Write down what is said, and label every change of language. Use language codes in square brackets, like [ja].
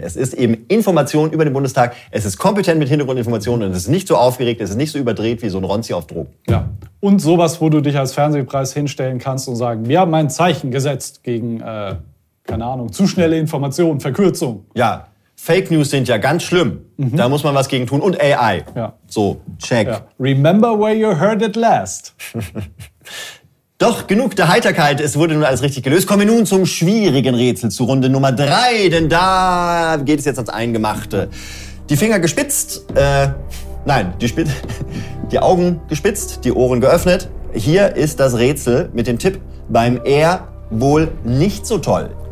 [de] Es ist eben Information über den Bundestag, es ist kompetent mit Hintergrundinformationen und es ist nicht so aufgeregt, es ist nicht so überdreht wie so ein Ronzi auf Drogen. Ja. Und sowas, wo du dich als Fernsehpreis hinstellen kannst und sagen, wir haben ein Zeichen gesetzt gegen, keine Ahnung, zu schnelle Informationen, Verkürzung. Ja, Fake News sind ja ganz schlimm. Mhm. Da muss man was gegen tun. Und AI. Ja. So, check. Ja. [en] Remember where you heard it last. [de] Doch, genug der Heiterkeit. Es wurde nun alles richtig gelöst. Kommen wir nun zum schwierigen Rätsel, zu Runde Nummer 3. Denn da geht es jetzt ans Eingemachte. Die Finger gespitzt. Die Augen gespitzt, die Ohren geöffnet. Hier ist das Rätsel mit dem Tipp, beim R wohl nicht so toll.